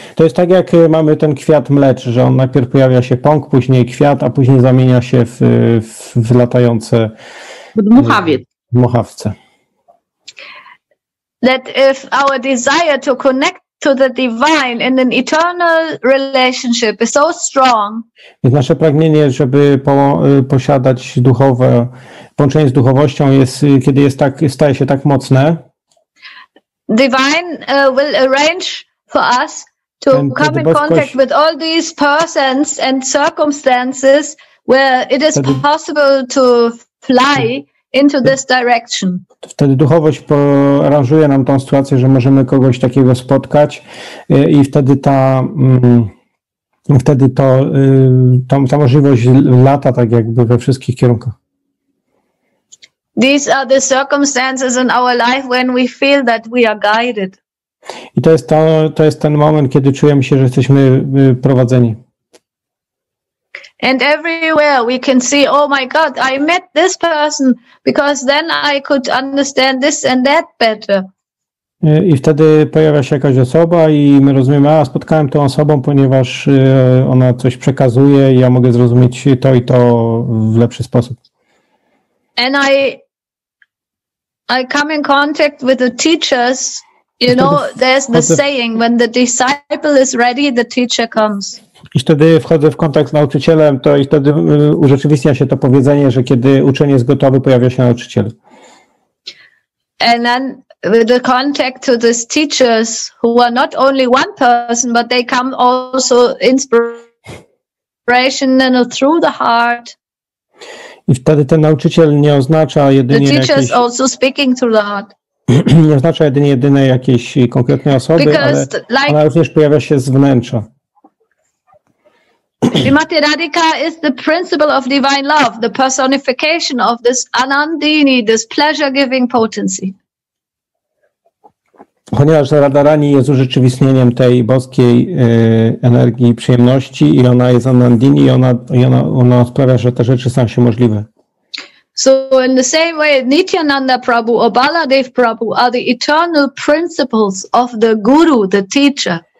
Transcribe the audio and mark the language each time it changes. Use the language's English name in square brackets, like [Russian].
[Polish] To jest tak, jak mamy ten kwiat mlecz, że on najpierw pojawia się pąk, później kwiat, a później zamienia się w latające mochawce. [English] That if our desire to connect to the divine in an eternal relationship is so strong. [Polish] Więc nasze pragnienie, żeby posiadać duchowe, połączenie z duchowością jest, kiedy jest tak, staje się tak mocne. [English] Divine will arrange for us to come in contact with all these persons and circumstances where it is possible to fly into this direction. [Polish] Wtedy duchowość aranżuje nam tą sytuację, że możemy kogoś takiego spotkać i wtedy ta wtedy to ta możliwość lata tak jakby we wszystkich kierunkach. [English] These are the circumstances in our life when we feel that we are guided. [Polish] I to jest ten moment, kiedy czujemy się, że jesteśmy prowadzeni. [English] And everywhere we can see, oh my God, I met this person because then I could understand this and that better. [Polish] I wtedy pojawia się jakaś osoba i my rozumiemy, a spotkałem tą osobą, ponieważ ona coś przekazuje i ja mogę zrozumieć to i to w lepszy sposób. [English] And I come in contact with the teachers. You know, there's the saying, when the disciple is ready, the teacher comes. [Polish] I wtedy wchodzę w kontakt z nauczycielem, to i wtedy urzeczywistnia się to powiedzenie, że kiedy uczeń jest gotowy, pojawia się nauczyciel. [English] And then with the contact to these teachers, who are not only one person, but they come also inspiration and through the heart. [Polish] I wtedy ten nauczyciel nie oznacza jedynie [English] the teachers [Polish] jakieś... [English] also speaking through the heart. [Polish] Nie oznacza jedynie jakiejś konkretnej osoby, [English] because, [Polish] ale [English] like, [Polish] ona również pojawia się z wnętrza. [English] Srimati Radhika is the principle of divine love, the personification of this anandini, this pleasure-giving potency. [Polish] Ponieważ Radharani jest urzeczywistnieniem tej boskiej energii przyjemności i ona jest anandini i ona sprawia, że te rzeczy są się możliwe. [English] So in the same way, Nityananda Prabhu or Baladev Prabhu are the eternal principles of the guru, the teacher.